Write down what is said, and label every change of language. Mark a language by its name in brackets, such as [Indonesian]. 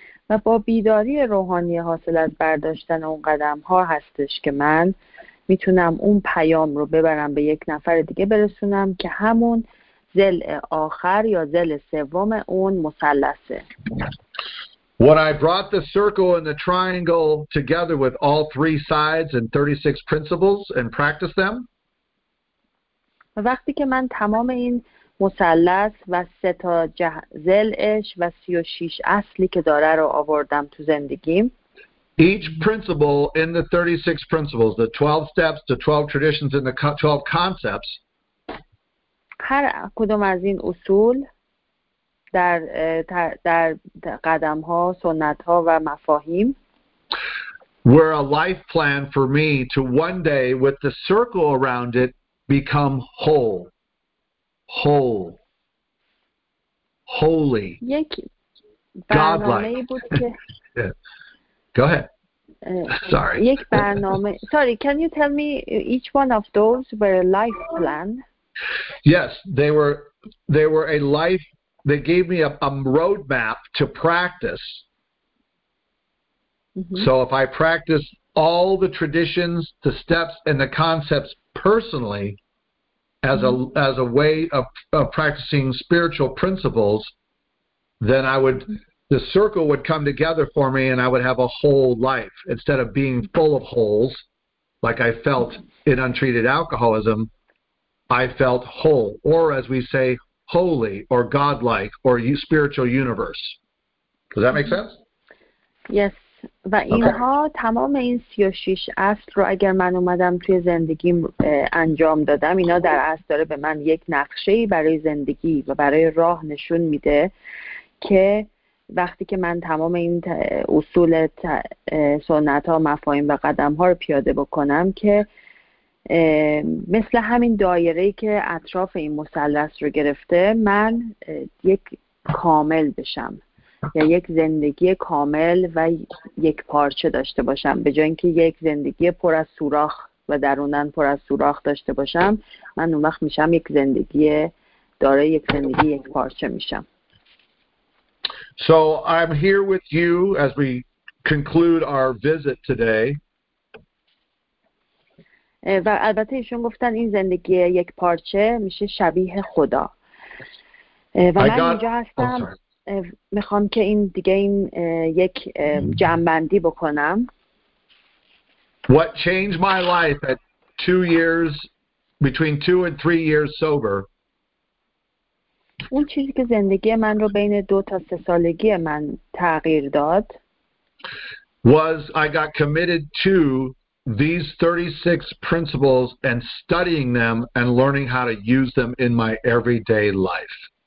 [Persian] و با بیداری روحانی حاصل از برداشتن اون قدم ها هستش که من میتونم اون پیام رو ببرم به یک نفر دیگه برسونم که همون ضلع آخر یا ضلع سوم اون مثلثه. [English] What I brought the circle and the triangle together with all three sides and 36 principles and practiced them. [Persian] وقتی که من تمام این مثلث و سه تا ضلعش و 36 اصلی که داره رو آوردم تو زندگیم. [English] Each principle in the 36 principles, the 12 steps, the 12 traditions, and the 12 concepts. [Persian] هر کدوم از این اصول در قدم‌ها، سنت‌ها و مفاهیم. [English] Were a life plan for me to one day, with the circle around it, become whole, whole, holy, God-like. [Persian] بود که [English] Go ahead. Sorry. [Persian] یک برنامه. [English] Sorry, can you tell me each one of those were a life plan? Yes, they were a life. They gave me a roadmap to practice. Mm-hmm. So if I practice all the traditions, the steps, and the concepts personally, as mm-hmm. as a way of practicing spiritual principles, then I would. Mm-hmm. The circle would come together for me and I would have a whole life instead of being full of holes like I felt in untreated alcoholism. I felt whole, or as we say, holy or godlike or spiritual universe. Does that make sense? Yes. [Persian] و اینها تمام این 36 اصل رو اگر من اومدم توی زندگیم انجام دادم اینا در اصل داره به من یک نقشه‌ای برای زندگی و برای راه نشون میده که وقتی که من تمام این اصول سنت ها مفاهیم و قدم ها رو پیاده بکنم که مثل همین دایره‌ای که اطراف این مثلث رو گرفته، من یک کامل بشم یا یک زندگی کامل و یک پارچه داشته باشم، به جای اینکه یک زندگی پر از سوراخ و درونن پر از سوراخ داشته باشم، من اون وقت میشم یک زندگی دارای یک زندگی یک پارچه میشم. [English] So I'm here with you as we conclude our visit today. [Persian] و البته ایشون گفتن این زندگی یک پارچه میشه شبیه خدا. و من اینجا هستم. میخوام که این دیگه این یک جمع‌بندی بکنم. [English] What changed my life at 2 years, between 2 and 3 years sober? [Persian] اون چیزی که زندگی من رو بین 2 تا 3 سالگی من تغییر داد. [English] Was I got committed to these 36 principles and studying them and learning how to use them in my everyday life.